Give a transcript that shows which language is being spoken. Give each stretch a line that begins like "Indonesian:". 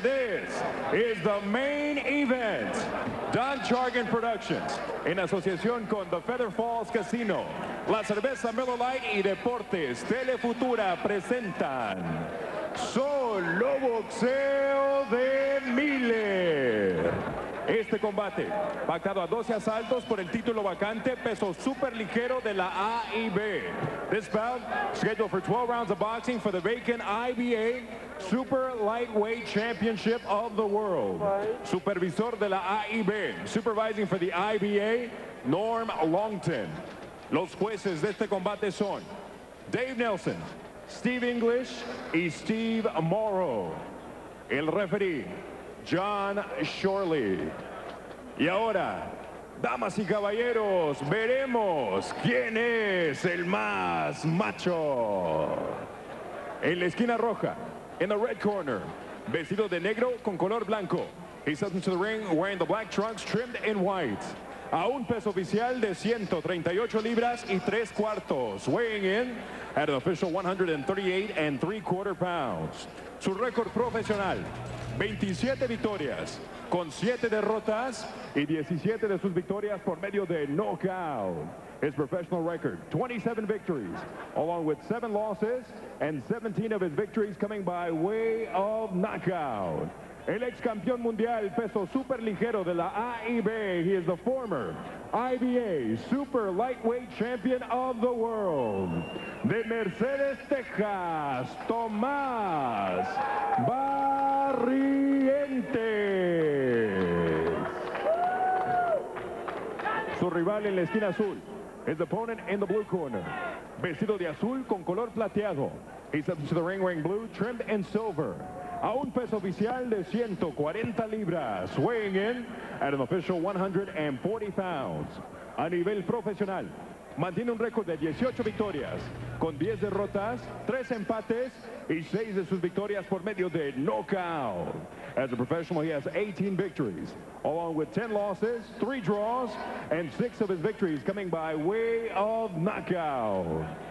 English: This is the main event.
Spanish: Don Chargan Productions, en asociación con The Feather Falls Casino, la cerveza Miller Lite y Deportes Telefutura presentan Solo Boxeo de Miller. Este combate, pactado a 12 asaltos por el título vacante, peso super ligero de la AIB.
English: This bout, scheduled for 12 rounds of boxing for the vacant IBA Super Lightweight Championship of the World.
Spanish: Supervisor de la AIB,
English: supervising for the IBA,
Spanish: Norm Longton. Los jueces de este combate son Dave Nelson, Steve English y Steve Morrow. El referee, John Shorley. Y ahora, damas y caballeros, veremos quién es el más macho. En la esquina roja,
English: in the red corner,
Spanish: vestido de negro con color blanco.
English: He steps into the ring wearing the black trunks trimmed in white.
Spanish: A un peso oficial de 138 libras y 3 cuartos.
English: Weighing in at an official 138 and 3 quarter pounds.
Spanish: Su récord profesional, 27 victorias con 7 derrotas y 17 de sus victorias por medio de knockout.
English: His professional record, 27 victories, along with 7 losses and 17 of his victories coming by way of knockout.
Spanish: El ex campeón mundial, peso super ligero de la AIB.
English: He is the former IBA Super Lightweight Champion of the World.
Spanish: De Mercedes, Texas, Tomás Barrientes. Su rival en la esquina azul.
English: His opponent in the blue corner.
Spanish: Vestido de azul con color plateado.
English: He steps to the ring wearing blue, trimmed in silver.
Spanish: A un peso oficial de 140 libras,
English: weighing in at an official 140 pounds.
Spanish: A nivel profesional, mantiene un récord de 18 victorias, con 10 derrotas, 3 empates y 6 de sus victorias por medio de knockout.
English: As a professional, he has 18 victories, along with 10 losses, 3 draws, and 6 of his victories coming by way of knockout.